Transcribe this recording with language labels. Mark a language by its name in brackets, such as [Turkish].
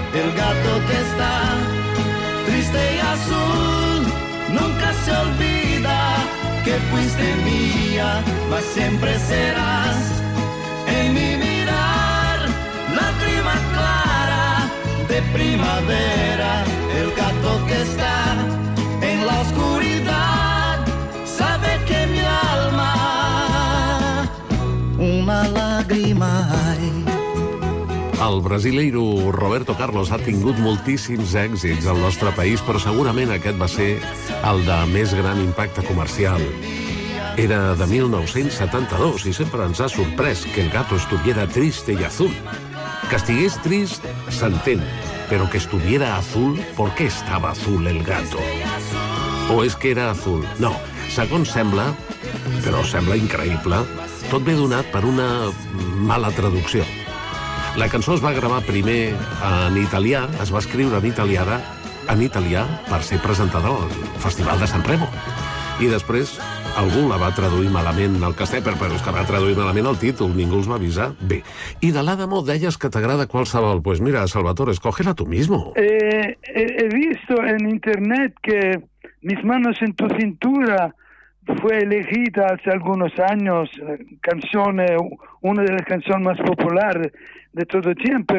[Spanish] El gato que está triste y azul nunca se olvida que fuiste mía, mas siempre serás en mi mirar lágrima clara de primavera. El gato que está en la oscuridad sabe que mi alma una lágrima hay. [Catalan] El brasileiro Roberto Carlos ha tingut moltíssims èxits al nostre país, però segurament aquest va ser el de més gran impacte comercial. Era de 1972 i sempre ens ha sorprès que [Spanish] el gato estuviera triste [Catalan] i azul. Que estigués trist, s'entén, però [Spanish] que estuviera azul, ¿por qué estaba azul el gato? [Catalan] O és que era azul? No, segons sembla, però sembla increïble, tot ve donat per una mala traducció. La cançó es va gravar primer en italià, es va escriure en italià per ser presentada al Festival de San Remo. I després algú la va traduir malament al castell, però és que va traduir malament el títol, ningú els va avisar. Bé, i de l'Adamo deies que t'agrada qualsevol. [Spanish] Pues mira, Salvatore, escógela tu mismo. He visto en internet que Mis manos en tu cintura fue elegida hace algunos años, una de las canciones más populares de todo tiempo.